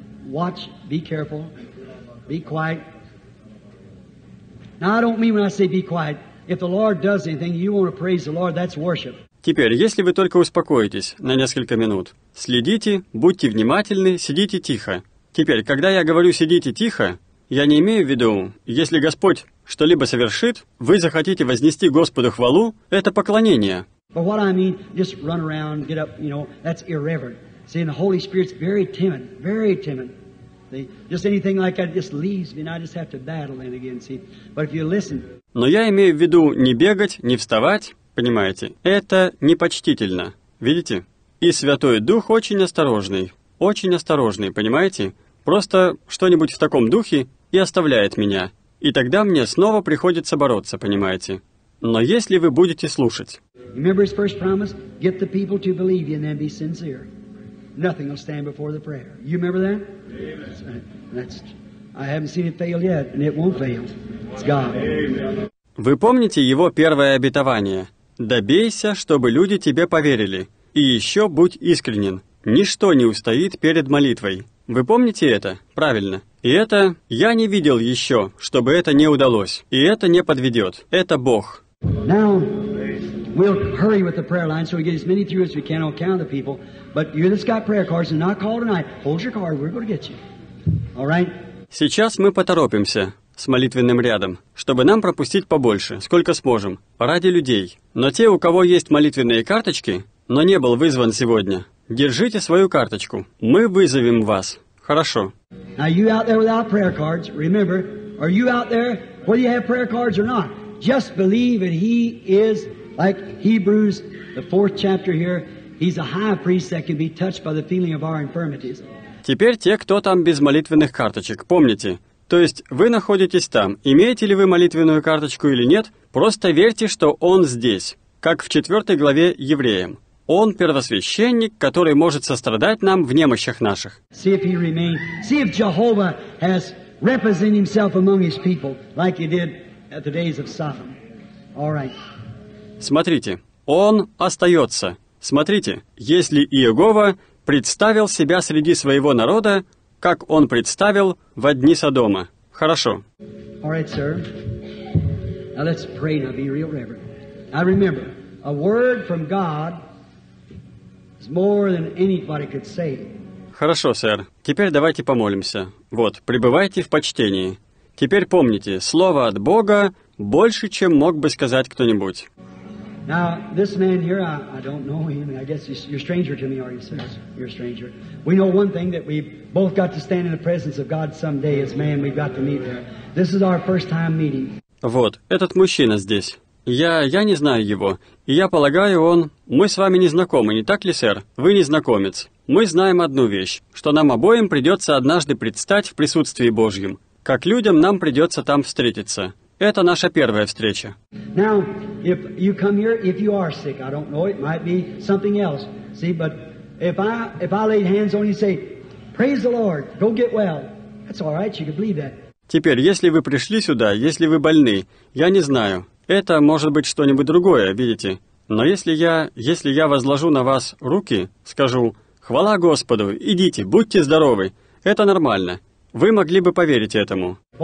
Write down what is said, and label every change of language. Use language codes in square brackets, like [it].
[en] Watch, be careful, be quiet. Now, I don't mean when I say be quiet. If the Lord does anything, you want to praise the Lord, that's worship. [ru] Теперь, если вы только успокоитесь на несколько минут, следите, будьте внимательны, сидите тихо. Теперь, когда я говорю «сидите тихо», я не имею в виду, если Господь что-либо совершит, вы захотите вознести Господу хвалу, это поклонение. [en] But what I mean, just run around, get up, you know, that's irreverent. See, and the Holy Spirit's very timid, very timid. See, just anything like that just leaves me, and I just have to battle in again, see. But if you listen... [ru] Но я имею в виду не бегать, не вставать, понимаете? Это непочтительно, видите? И Святой Дух очень осторожный, понимаете? Просто что-нибудь в таком духе и оставляет меня. И тогда мне снова приходится бороться, понимаете? Но если вы будете слушать... [en] Remember His first promise? Get the people to believe you and then be sincere. Nothing will stand before the prayer. You remember that? Amen. I haven't seen it fail yet, and it won't fail. It's God. Amen. [ru] Вы помните Его первое обетование? «Добейся, чтобы люди тебе поверили, и еще будь искренен. Ничто не устоит перед молитвой». Вы помните это? Правильно. И это я не видел еще, чтобы это не удалось. И это не подведет. Это Бог. [en] Now, we'll hurry with the prayer line so we get as many through as we can on count of the people. But you that's got prayer cards and not called tonight, hold your card, we're going to get you. All right? [ru] Сейчас мы поторопимся с молитвенным рядом, чтобы нам пропустить побольше, сколько сможем, ради людей. Но те, у кого есть молитвенные карточки, но не был вызван сегодня, держите свою карточку. Мы вызовем вас. Хорошо. [en] Now you out there without prayer cards, remember, are you out there, whether you have prayer cards or not, just believe that He is like Hebrews, the fourth chapter here, He's a high priest that can be touched by the feeling of our infirmities. [ru] Теперь те, кто там без молитвенных карточек, помните. То есть вы находитесь там, имеете ли вы молитвенную карточку или нет, просто верьте, что Он здесь, как в 4 главе Евреям. Он первосвященник, который может сострадать нам в немощах наших. [en] See if He remains. See if Jehovah has represented Himself among His people, like He did at the days of Sodom. All right. [ru] Смотрите, Он остается. Смотрите, если Иегова представил себя среди своего народа, как Он представил во дни Содома. Хорошо. [en] All right, sir. Now let's pray and be real reverent. I remember, a word from God is more than anybody could say. [ru] Хорошо, сэр. Теперь давайте помолимся. Вот, пребывайте в почтении. Теперь помните, слово от Бога больше, чем мог бы сказать кто-нибудь. [en] Now, this man here, I don't know him. I guess you're a stranger to me, are you, sir? You're a stranger. We know one thing, that we've both got to stand in the presence of God someday. As man, we've got to meet there. This is our first time meeting. [ru] Вот, этот мужчина здесь. Я не знаю его. И я полагаю, он... Мы с вами не знакомы, не так ли, сэр? Вы не знакомец. Мы знаем одну вещь, что нам обоим придется однажды предстать в присутствии Божьем. Как людям нам придется там встретиться. Это наша первая встреча. [en] Now, if you come here, if you are sick, I don't know, it might be something else. See, but if I laid hands on you and say, praise the Lord, go get well, that's all right, you can believe that. [ru] Теперь, если вы пришли сюда, если вы больны, я не знаю, это может быть что-нибудь другое, видите? Но если я возложу на вас руки, скажу «Хвала Господу! Идите, будьте здоровы!» Это нормально. Вы могли бы поверить этому.